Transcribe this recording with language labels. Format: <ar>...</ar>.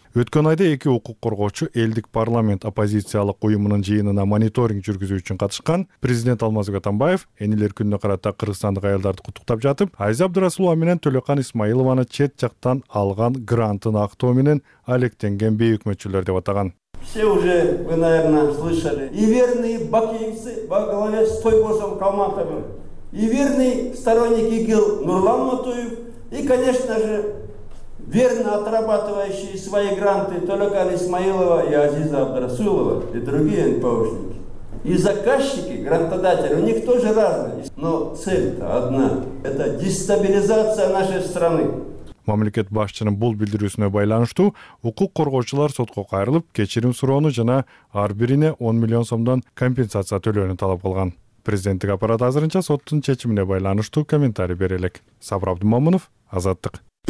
<ky>Өткөн айда эки укук коргоочу элдик парламент оппозициялык уюмунун жыйынына мониторинг жүргүзүү үчүн катышкан. Президент Алмазбек Атамбаев энелер күнүнө карата кыргызстандык аялдарды куттуктап жатып, Айза Абдырасулова менен Төлөкан Исмаилованы чет жактан алган грантын актоо менен алектенген бийликчилер деп атаган.</ky> <ru>Все уже, вы, наверное, слышали. И верные бакиевцы во главе с Тойбосом Калматовым, и верный сторонник ИГИЛ Нурлан Матуев, и, конечно же, верно отрабатывающие свои гранты Толякан Исмаилова и Азиза Абдрасулова и другие НПОшники. И заказчики, грантодатели, у них тоже разные. Но цель-то одна – это дестабилизация нашей страны.</ru> <ky>Мамлекет башчынын бул билдирүүсүнө байланыштуу укук коргоочулар сотко кайрылып, кечирим суроону жана ар бирине 10 миллион сомдон компенсация төлөөнү талап кылган. Президенттик аппарат азырынча соттун чечимине байланыштуу комментарий бере элек. Сабыр Абдымомунов, Азаттык.</ky>